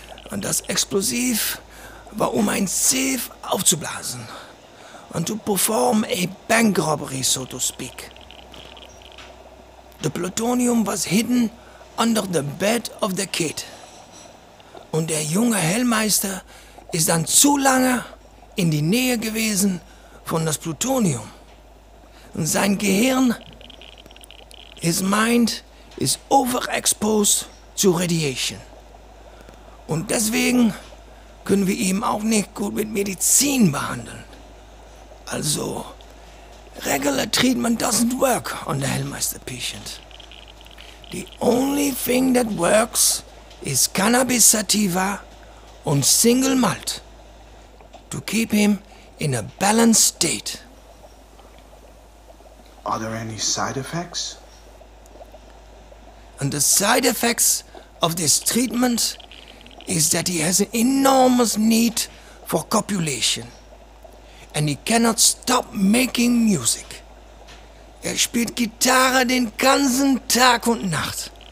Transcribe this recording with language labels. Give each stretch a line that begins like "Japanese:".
German: Und das Explosiv war ein Safe aufzublasen
English: and to perform a bank robbery, so to speak. The plutonium was hidden under the bed of the kid.
German: Und der junge Hellmeister ist dann zu lange in die Nähe gewesen von das Plutonium. Und sein Gehirn,
English: his mind, is overexposed to radiation.
German: Und deswegen können wir ihn auch nicht gut mit Medizin behandeln.
English: Also, regular treatment doesn't work on the Hellmeister patient. The only thing that works is cannabis sativa and single malt to keep him in a balanced state. Are there any side effects? And the side effects of this treatment is that he has an enormous need for copulation and he cannot stop making music.
German: Er spielt Gitarre den ganzen Tag und Nacht.